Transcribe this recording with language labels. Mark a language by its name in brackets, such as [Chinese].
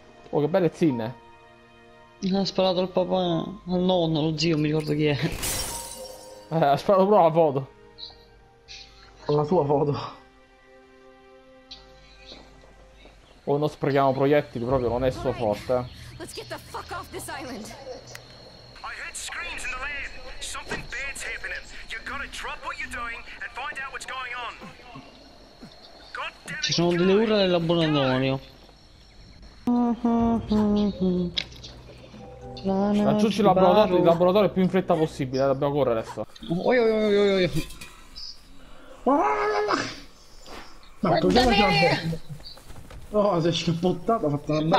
[Italian] Oh, che belle zinne. Ha sparato al papà, al nonno, lo zio, mi ricordo chi è. Ha sparato proprio la foto. La sua foto. O non sprechiamo proiettili, proprio non è suo forte. [English] Let's get the fuck off this island. I heard screams in the land. Something bad's happening. You gotta drop what you're doing and find out what's going on. [Italian] Ci sono delle urla dell'abbandono. Raggiungi il laboratorio più in fretta possibile, dobbiamo correre adesso. Oi. Ma oh, si è scappottato, ha fatto una bella